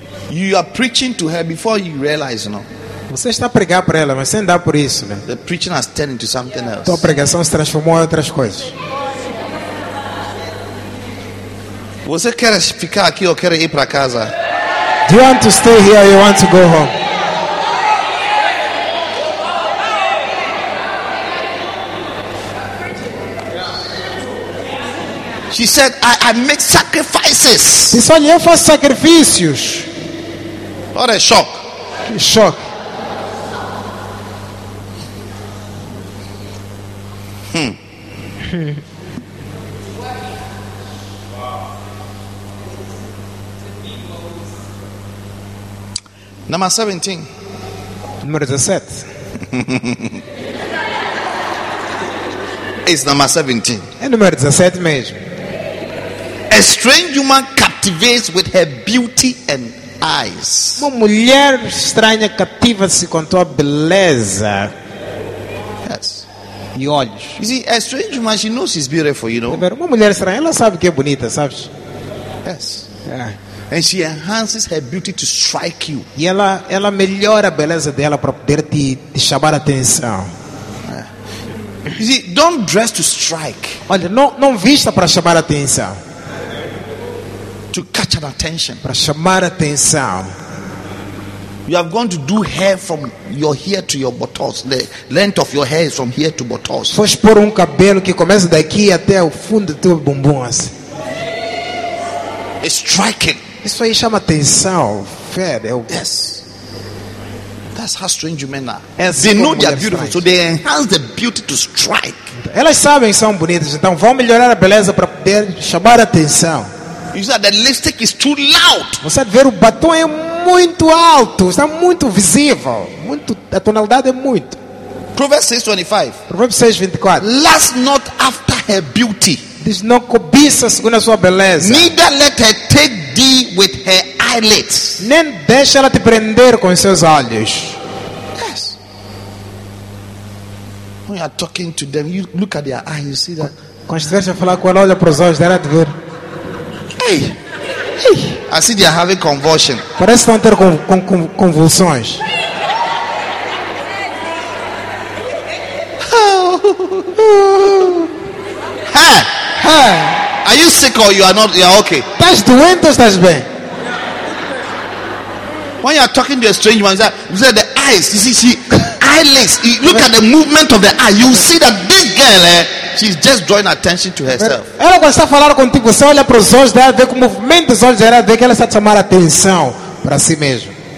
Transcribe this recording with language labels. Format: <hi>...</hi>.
<en>You are preaching to her before you realize, you know.</en> <pt>Você está a pregar para ela, mas sem dar por isso, né?</pt> <en>The preaching has turned into something else.</en> <pt>Tua pregação se transformou em outras coisas. Você quer ficar aqui ou quer ir para casa?</pt> <en>Do you want to stay here or you want to go home? She said, I make sacrifices.</en> <pt>Isso ali eu faço sacrifícios.</pt> <en>What a shock. Number 17.</en> <pt>Número 17.</pt> <en>It's number 17.</en> <pt>É número 17 mesmo.</pt> <en>A strange woman captivates with her beauty and eyes.</en> <pt>Uma mulher estranha cativa-se com tua beleza.</pt> <en>Yes.</en> <pt>E olhos.</pt> <en>You see, a strange woman, she knows she's beautiful, you know.</en> <pt>Uma mulher estranha, ela sabe que é bonita, sabes?</pt> <en>Yes. Yeah. And she enhances her beauty to strike you.</en> <pt>E ela melhora a beleza dela para poder te chamar a atenção.</pt> <en>Yeah. You see, don't dress to strike.</en> <pt>Olha, não vista para chamar a atenção.</pt> <en>To catch an attention.</en> <pt>Para chamar atenção.</pt> <en>You have gone to do hair from your hair to your buttocks. The length of your hair is from here to buttocks.</en> <pt>Foi expor um cabelo que começa daqui até o fundo do teu bumbum.</pt> <en>It's striking.</en> <pt>Isso aí chama atenção. Fede.</pt> <en>Yes. That's how strange women are. They know they are beautiful, so they enhance the beauty to strike.</en> <pt>Elas sabem que são bonitas, então vão melhorar a beleza para poder chamar a atenção.</pt> <en>You said the lipstick is too loud.</en> <pt>Você vê o batom é muito alto, está muito visível, muito, a tonalidade é muito.</pt> <en>Proverbs 6:24. Lust not after her beauty.</en> <pt>Diz, não cobiça segundo a sua beleza.</pt> <en>Neither let her take thee with her eyelids.</en> <pt>Nem deixa ela te prender com seus olhos.</pt> <en>Yes. When you are talking to them, you look at their eyes, you see that.</en> <pt>Quando estiveres a falar com ela, olha para os olhos dela de ver.</pt> <en>Hey. Hey. I see they are having convulsion.</en> <pt>Parece que estão a ter convulsões.</pt> <en>Are you sick or you are not? You are okay. That's the winter, that's bad. When you are talking to a strange man, you say the eyes. You see, she eyelids. You look at the movement of the eye. You see that this girl, she's just drawing attention to herself.</en> <pt>Ela gosta de falar contigo. Você olha para os olhos dela, vê o movimento dos olhos dela, vê que ela está chamando atenção para si mesmo.</pt>